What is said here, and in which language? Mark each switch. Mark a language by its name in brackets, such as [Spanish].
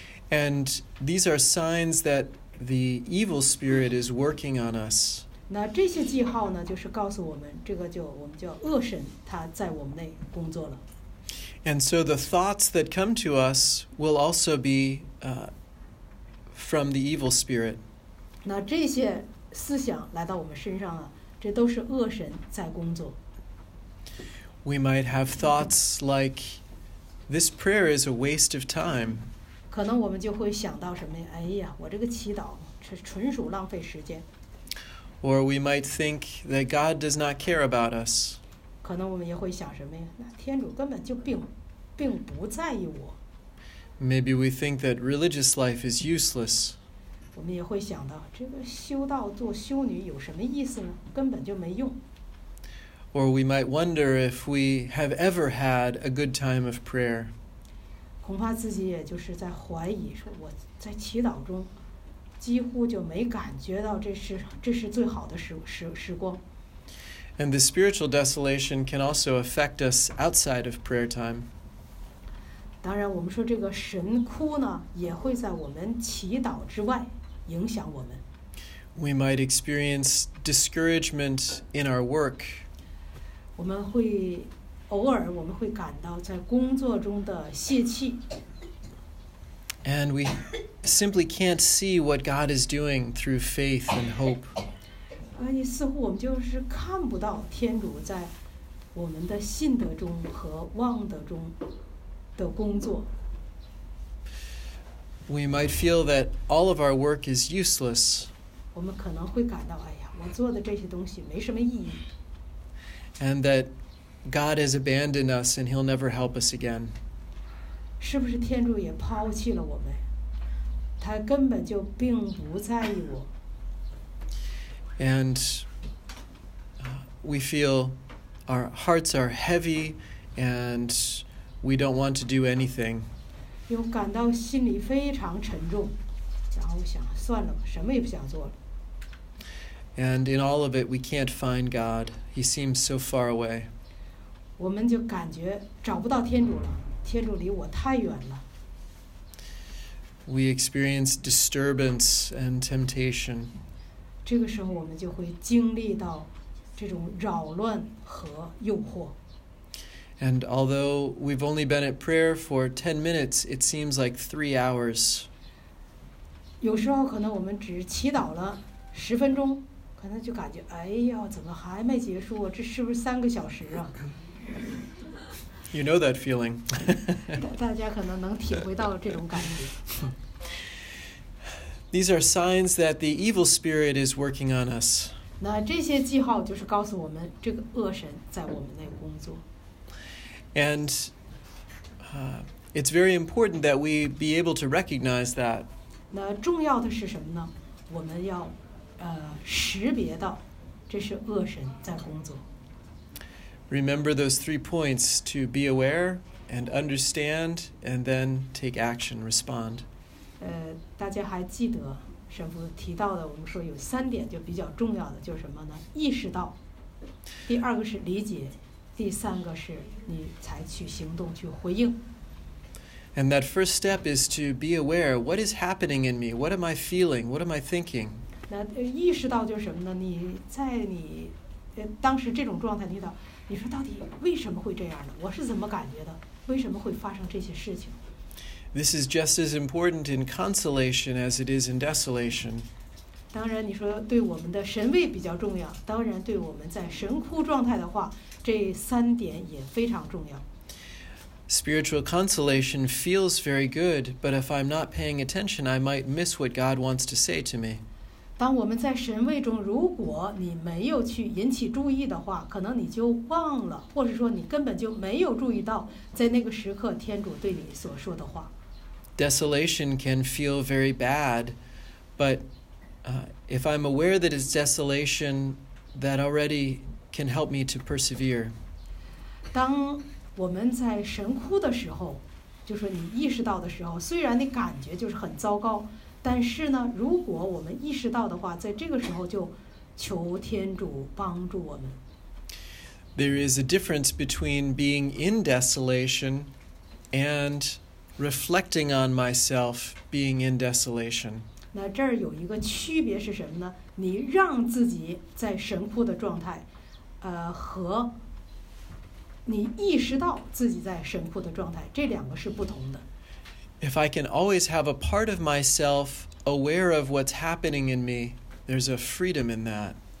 [English] And these are signs that the evil spirit is working on us. [Chinese] 那这些记号呢就是告诉我们，这个就我们叫恶神他在我们内工作了。 [English] And so the thoughts that come to us will also be from the evil spirit. [Chinese] 那这些思想来到我们身上啊，这都是恶神在工作。 [English] We might have thoughts like, this prayer is a waste of time. [Chinese] 可能我们就会想到什么呀？哎呀，我这个祈祷是纯属浪费时间。 [English] Or we might think that God does not care about us. [Chinese] 可能我们也会想什么呀？那天主根本就并不在意我。 [English] Maybe we think that religious life is useless. [Chinese] 我们也会想到，这个修道做修女有什么意思呢？根本就没用。 [English] Or we might wonder if we have ever had a good time of prayer. [Chinese] 恐怕自己也就是在怀疑，说我在祈祷中几乎就没感觉到这是最好的时光。 [English] And the spiritual desolation can also affect us outside of prayer time. [Chinese] 当然我们说这个神哭呢，也会在我们祈祷之外影响我们。 [English] We might experience discouragement in our work. [Chinese] 我们会偶尔我们会感到在工作中的泄气。 [English] And we simply can't see what God is doing through faith and hope. [Chinese] 哎，似乎我们就是看不到天主在我们的信德中和望德中的工作。 [English] We might feel that all of our work is useless. [Chinese] 我们可能会感到，哎呀，我做的这些东西没什么意义。 [English] And that God has abandoned us and he'll never help us again. [Chinese] 是不是天主也抛弃了我们？他根本就并不在意我。 [English] And we feel our hearts are heavy and we don't want to do anything. [Chinese] 又感到心里非常沉重，然后想算了，什么也不想做了。 [English] And in all of it, we can't find God. He seems so far away. [Chinese] 我们就感觉找不到天主了，天主离我太远了。 [English] We experience disturbance and temptation. [Chinese] 这个时候我们就会经历到这种扰乱和诱惑。 [English] And although we've only been at prayer for 10 minutes, it seems like 3 hours. [Chinese] 有时候可能我们只祈祷了十分钟，可能就感觉，哎呀，怎么还没结束？这是不是3个小时啊？ [English] You know that feeling. [Chinese] 大家可能能体会到这种感觉。 [English] These are signs that the evil spirit is working on us. [Chinese] 那这些记号就是告诉我们，这个恶神在我们内工作。 [English] And it's very important that we be able to recognize that. [Chinese] 那重要的是什么呢？我们要识别到这是恶神在工作。 [English] Remember those 3 points: to be aware and understand, and then take action, respond. [Chinese] 大家还记得神父提到的？我们说有3点就比较重要的，就是什么呢？意识到，第二个是理解。第三个是你采取行动去回应。 [English] And that first step is to be aware, what is happening in me? What am I feeling? What am I thinking? [Chinese] 那意识到就是什么呢？你在你当时这种状态，你说到底为什么会这样呢？我是怎么感觉的？为什么会发生这些事情？ [English] This is just as important in consolation as it is in desolation. [Chinese] 当然你说对我们的神位比较重要，当然对我们在神窟状态的话，这三点也非常重要。 [English] Spiritual consolation feels very good, but if I'm not paying attention, I might miss what God wants to say to me. [Chinese] 当我们在神位中，如果你没有去引起注意的话，可能你就忘了，或者说你根本就没有注意到在那个时刻天主对你所说的话。 [English] Desolation can feel very bad, but if I'm aware that it's desolation, that already can help me to persevere. [Chinese] 当我们在神窟的时候，就是你意识到的时候，虽然你感觉就是很糟糕，但是呢，如果我们意识到的话，在这个时候就求天主帮助我们。 [English] There is a difference between being in desolation and reflecting on myself being in desolation. [Chinese] 那这儿有一个区别是什么呢？你让自己在神窟的状态，和你意识到自己在神窟的状态，这两个是不同的。 [English] If I can always have a part of myself aware of what's happening in me, there's a freedom in that.